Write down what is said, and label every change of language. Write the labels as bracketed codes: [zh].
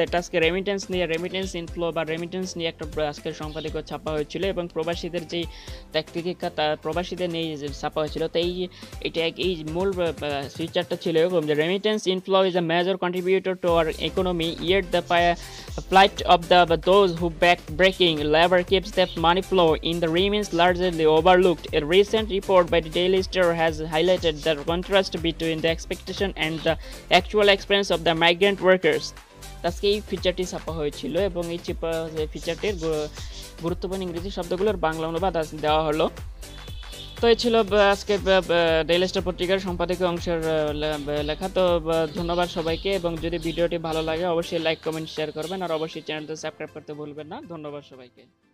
[bn] এটা আজকে রেমিটেন্স নিয়ে, রেমিটেন্স ইনফ্লো বা রেমিটেন্স নিয়ে একটা আজকের সম্পাদকীয় ছাপা হয়েছিল এবং প্রবাসীদের যেই ত্যাগ প্রবাসীদের নিয়ে ছাপা হয়েছিল। তো এই মূল ফিচারটা ছিল এরকম যে [en] Remittance inflow is a major contributor to our economy, yet the flight of the those who back breaking labour keeps the money flow in the remains largely overlooked. A recent report by the Daily Star has highlighted the contrast between the expectation and the actual experience of the migrant workers. [bn] আজকে এই ফিচারটি ছাপা হয়েছিল এবং এই ফিচারটির গুরুত্বপূর্ণ ইংরেজি শব্দগুলোর বাংলা অনুবাদ দেওয়া হলো। তো এই ছিল আজকে ডেইলি স্টার পত্রিকার সম্পাদকীয় অংশের লেখা। তো ধন্যবাদ সবাইকে, এবং যদি ভিডিওটি ভালো লাগে অবশ্যই লাইক কমেন্ট শেয়ার করবেন আর অবশ্যই চ্যানেলটা সাবস্ক্রাইব করতে ভুলবেন না। ধন্যবাদ সবাইকে।